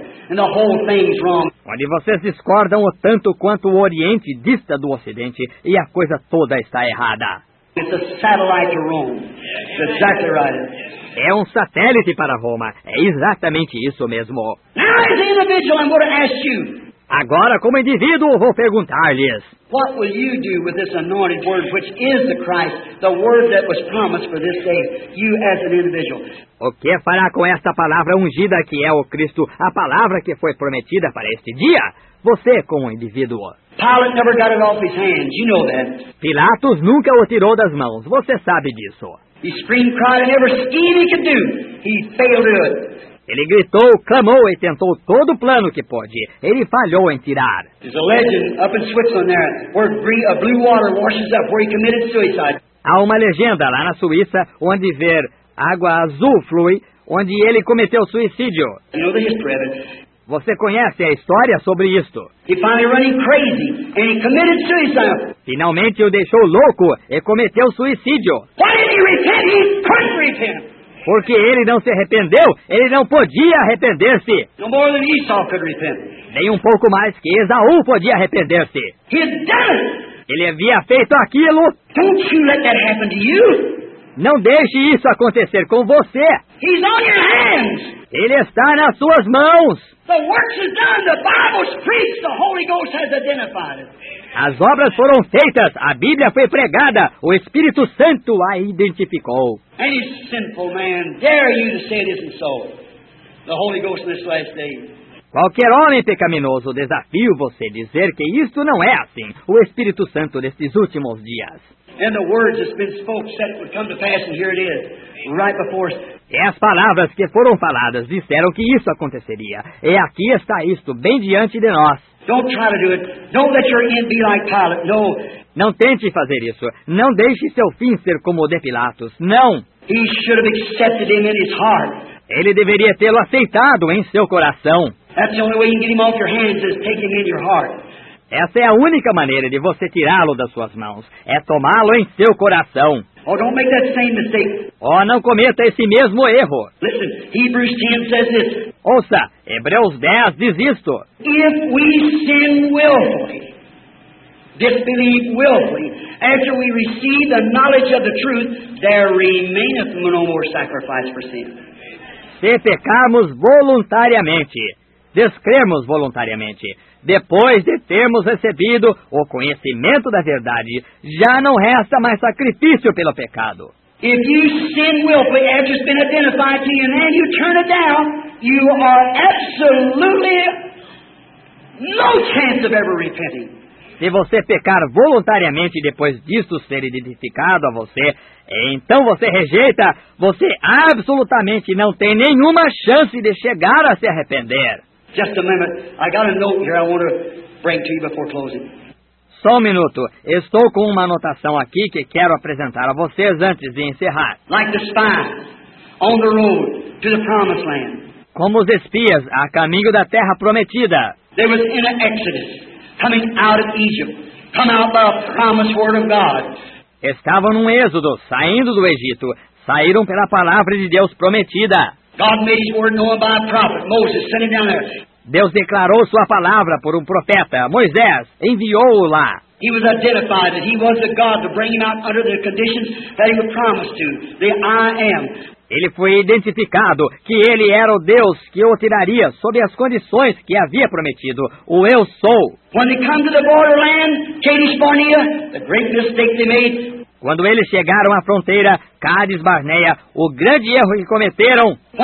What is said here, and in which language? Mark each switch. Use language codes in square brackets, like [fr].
[pt] Onde vocês discordam o tanto quanto o Oriente dista do Ocidente e a coisa toda está errada. [en] It's a satellite to Rome. It's exactly right. [pt] É um satélite para Roma. É exatamente isso mesmo. [en] Now, as an individual, I'm going to ask you. [pt] Agora, como indivíduo, vou perguntar-lhes. [en] What will you do with this anointed word, which is the Christ, the word that was promised for this day, you as an individual? [pt] O que fará com esta palavra ungida que é o Cristo, a palavra que foi prometida para este dia? Você, como indivíduo. [en] Pilate never got it off his hands, you know that. [pt] Pilatos nunca o tirou das mãos, você sabe disso. [en] He screamed, cried, and every scheme he could do, he failed to do it. [pt] Ele gritou, clamou e tentou todo o plano que pôde. Ele falhou em tirar. [en] There's a legend up in Switzerland there where blue water washes up where he committed suicide. [pt] Há uma legenda lá na Suíça onde ver água azul flui onde ele cometeu suicídio. [en] You know the history of it. [pt] Você conhece a história sobre isto? [en] He finally running crazy and he committed suicide. [pt] Finalmente o deixou louco e cometeu suicídio. [en] Why did he repent? He couldn't repent. [pt] Porque ele não se arrependeu, ele não podia arrepender-se. [en] No more than Esau could repent. [pt] Nem um pouco mais que Esaú podia arrepender-se. [en] He's done. [pt] Ele havia feito aquilo. [en] Don't you let that happen to you. [pt] Não deixe isso acontecer com você. [en] He's on your hands. [pt] Ele está nas suas mãos. [en] The works are done. The Bible's preached. The Holy Ghost has identified it. [pt] As obras foram feitas, a Bíblia foi pregada, o Espírito Santo a identificou. [en] Any sinful man dare you to say it isn't so? The Holy Ghost in this last day. [pt] Qualquer homem pecaminoso, desafio você dizer que isto não é assim, o Espírito Santo nestes últimos dias. [en] And the words that's been spoken said it would come to pass, and here it is, right before us. [pt] E as palavras que foram faladas disseram que isso aconteceria. E aqui está isto, bem diante de nós. [en] Don't try to do it. Don't let your end be like Pilate. No. [pt] Não tente fazer isso. Não deixe seu fim ser como o de Pilatos. Não. [en] He should have accepted him in his heart. [pt] Ele deveria tê-lo aceitado em seu coração. [en] That's the only way you can get him off your hands is take him in your heart. [pt] Essa é a única maneira de você tirá-lo das suas mãos. É tomá-lo em seu coração. [en] Oh, don't make that same mistake. [pt] Oh, não cometa esse mesmo erro. [en] Listen, Hebrews 10 says this. [pt] Ouça, Hebreus 10 diz isto. [en] If we sin willfully, disbelieve willfully, after we receive the knowledge of the truth, there remaineth no more sacrifice for sin. [pt] Se pecarmos voluntariamente, descremos voluntariamente, depois de termos recebido o conhecimento da verdade, já não resta mais sacrifício pelo pecado. [en] If you sin willfully, after it's been identified to you, and you turn it down, you are absolutely no chance of ever repenting. [pt] Se você pecar voluntariamente depois disso ser identificado a você, então você rejeita, você absolutamente não tem nenhuma chance de chegar a se arrepender. [en] Just a moment. I got a note here I want to bring to you before closing. [pt] Só um minuto. Estou com uma anotação aqui que quero apresentar a vocês antes de encerrar. [en] Like the spies on the road to the promised land. [pt] Como os espias a caminho da terra prometida. [en] They were in an exodus, coming out of Egypt, come out by a promised word of God. [pt] Estavam num êxodo, saindo do Egito. Saíram pela palavra de Deus prometida. [en] God made his word known by a prophet, Moses, sent him down there. [pt] Deus declarou sua palavra por um profeta, Moisés, enviou-o lá. [en] He was identified that he was the God to bring him out under the conditions that he was promised to, the I am. [pt] Ele foi identificado que ele era o Deus que o tiraria sob as condições que havia prometido, o Eu Sou. [en] When they come to the borderland, Kadesh Barnea, the great mistake they made. [pt] Quando eles chegaram à fronteira Cádiz Barnea, o grande erro que cometeram.